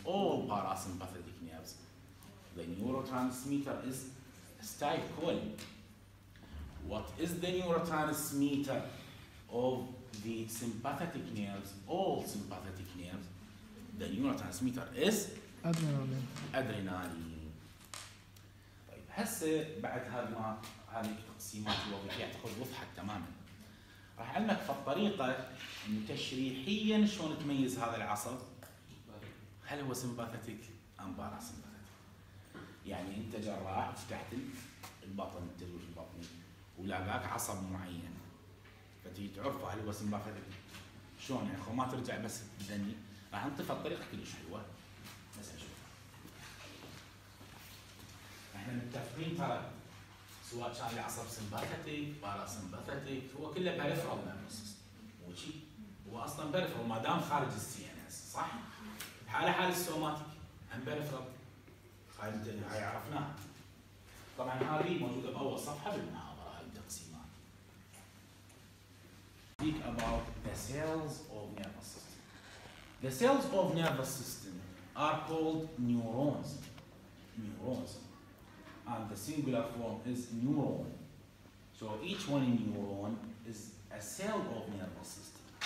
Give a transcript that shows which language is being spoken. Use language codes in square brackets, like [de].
[en] All parasympathetic nerves, the neurotransmitter is acetylcholine. What is the neurotransmitter of the sympathetic nerves, all sympathetic nerves? The neurotransmitter is adrenaline. [ar] طيب هسه بعد هذا ما هذه التقسيمات الوظيفيه تاخذ وضحك تماما. راح اعلمك فالطريقه انه تشريحيا شلون تميز هذا العصب. هل هو سمباثيتك ام باراسمباثيتك؟ يعني انت جراح فتحت البطن التلوث البطني ولاقاك عصب معين. فتجي تعرفه هل هو سمباثيتك شلون يعني ما ترجع بس تدني. راح انطي فالطريقه كلش حلوه. احنا متفقين ترى سواء كان العصب سمباثيتي بارا سمباثيتي هو كله بيرفرال نيرفس وشي هو اصلا بيرفرال ما دام خارج السي ان اس صح؟ بحاله حال السوماتيك هم بيرفرال خارج هاي عرفناها طبعا هذه موجوده باول صفحه بالمحاضره هاي التقسيمات. [en] Speak about the cells of nervous system. The cells of nervous system are called neurons. Neurons. And the singular form is neuron. So each one in neuron is a cell of nervous system.